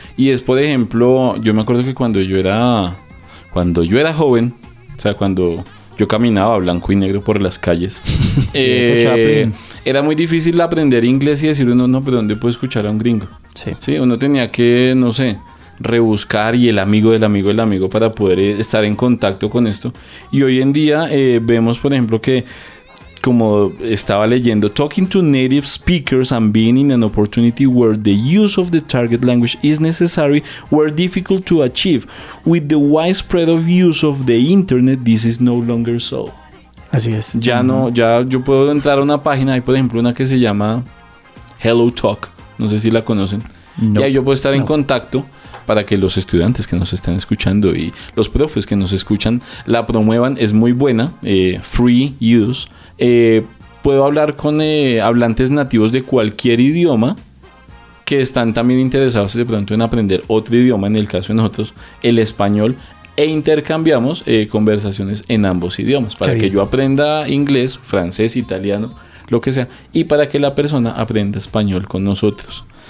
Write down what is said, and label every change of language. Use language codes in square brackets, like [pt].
[es] Y es, por ejemplo, yo me acuerdo que cuando yo era joven, o sea, cuando yo caminaba blanco y negro por las calles. Era muy difícil aprender inglés y decir uno, no, pero ¿dónde puedo escuchar a un gringo? Sí. Sí, uno tenía que, no sé, rebuscar y el amigo del amigo del amigo para poder estar en contacto con esto. Y hoy en día vemos, por ejemplo, que como estaba leyendo, [en] talking to native speakers and being in an opportunity where the use of the target language is necessary were difficult to achieve. With the widespread of use of the internet, this is no longer so. [es] Así es. Ya no, ya yo puedo entrar a una página, hay por ejemplo una que se llama Hello Talk, no sé si la conocen. No. Y ahí yo puedo estar en contacto para que los estudiantes que nos están escuchando y los profes que nos escuchan la promuevan. Es muy buena, free use. Puedo hablar con hablantes nativos de cualquier idioma que están también interesados de pronto en aprender otro idioma, en el caso de nosotros, el español, e intercambiamos conversaciones en ambos idiomas para que yo aprenda inglés, francés, italiano, lo que sea, y para que la persona aprenda español con nosotros.